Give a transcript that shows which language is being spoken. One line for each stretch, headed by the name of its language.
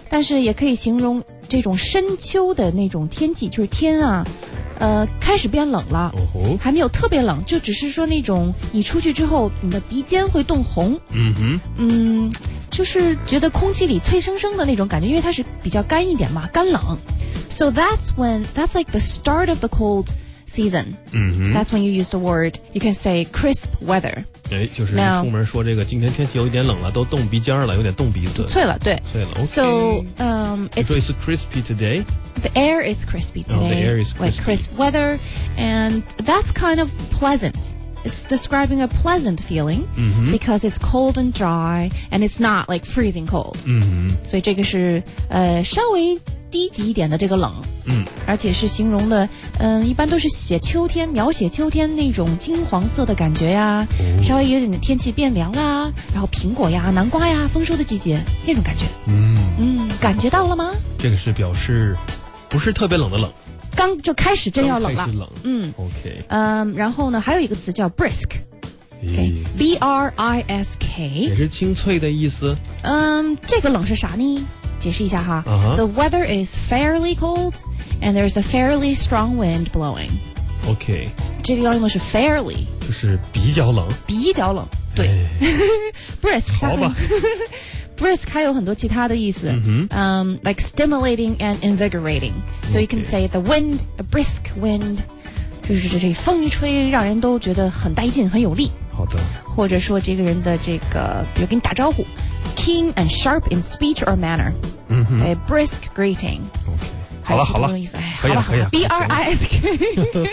Chinese: 但是也可以形容这种深秋的那种天气，就是天啊开始变冷了，还没有特别冷，就只是说那种你出去之后你的鼻尖会冻红，就是觉得空气里脆生生的那种感觉，因为它是比较干一点嘛，干冷。
English: So that's when, that's like the start of the coldseason. That's when you use the word, you can say crisp weather.
Chinese: 哎，就是你出门说这个今天天气有一点冷了，都冻鼻尖了，有点冻鼻子。脆了，对。脆了。Okay.
English: So, it's crispy today. The air is crispy today. Oh, the air is crispy. Like crisp weather, and that's kind of pleasant. It's describing a pleasant feeling because it's cold and dry, and it's not like freezing cold.
Chinese: 所以这个是稍微低级一点的这个冷，而且是形容的，一般都是写秋天，描写秋天那种金黄色的感觉呀，稍微有点天气变凉啦，然后苹果呀、南瓜呀，丰收的季节那种感觉，感觉到了吗？这个是表示不是特别冷的冷，刚就开始真要冷了，冷，OK，然后呢，还有一个词叫 brisk。Brisk 也是清脆的意思。这个冷是啥呢？解释一下哈。
English: The weather is fairly cold, and there's a fairly strong wind blowing. OK，
Chinese: 这个要用的是 fairly，就是比较冷，比较冷。对、，brisk 好吧。 Brisk 还有很多其他的意思，
English: like stimulating and invigorating. So you can say the wind, a brisk wind.
Chinese: 就是这风一吹让人都觉得很带劲很有力，好的，或者说这个人的这个比如跟你打招呼
English: keen and sharp in speech or manner， a brisk greeting、
Chinese: 好了好了，可以了可以了，
English: B-R-I-S-K